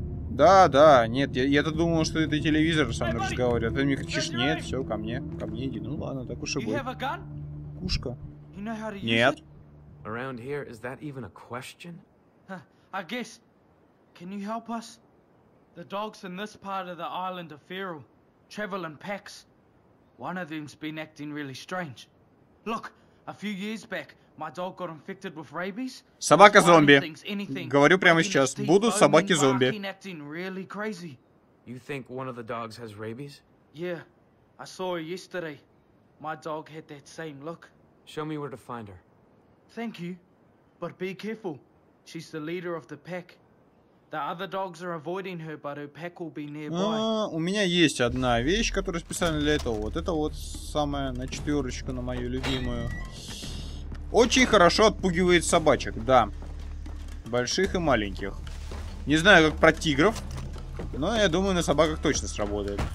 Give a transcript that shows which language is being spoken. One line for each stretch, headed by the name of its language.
Russian: Да, да, нет, я-то думал, что это телевизор со мной разговаривает. Ты мне кричишь, нет, все, ко мне иди. Ну ладно, так уж и будет. Пушка. Нет.
English: Around here, is that even a question? I guess. Can you help us? The dogs in this part of the island are feral. Travel in packs. One of them's been acting really strange. Look, a few years back, my dog got infected with rabies.
Russian: Собака-зомби. Говорю прямо сейчас. Будут собаки-зомби.
English: You think one of the dogs has rabies? Yeah, I saw her yesterday. My dog had that same look. Show me where to find her. Thank you, but be careful. She's the leader of the pack. The other dogs are avoiding her, but her pack will be nearby.
Russian: У меня есть одна вещь, которая специально для этого. Вот это вот самая на четверочку, на мою любимую. Очень хорошо отпугивает собачек, да. Больших и маленьких. Не знаю, как про тигров, но я думаю, на собаках точно сработает.